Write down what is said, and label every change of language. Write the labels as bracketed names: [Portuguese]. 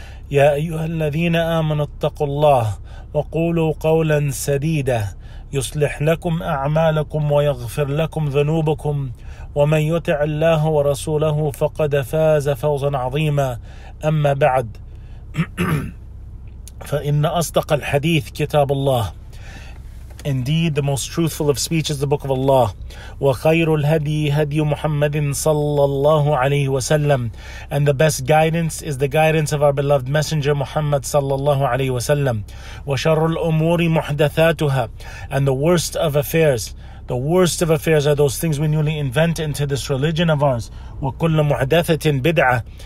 [Arabic] يا أيها الذين آمنوا اتقوا الله وقولوا قولا سديدا يصلح لكم أعمالكم ويغفر لكم ذنوبكم، ومن يطع الله ورسوله فقد فاز فوزا عظيما. أما بعد، فإن أصدق الحديث كتاب الله. [English] Indeed, the most truthful of speech is the book of Allah. [Arabic] وخير الهدي هدي محمد صلى الله عليه وسلم. [English] And the best guidance is the guidance of our beloved messenger Muhammad [Arabic] صلى الله عليه وسلم. وشر الأمور محدثاتها. [English] And the worst of affairs, the worst of affairs are those things we newly invent into this religion of ours. [Arabic] وكل محدثة بدعة.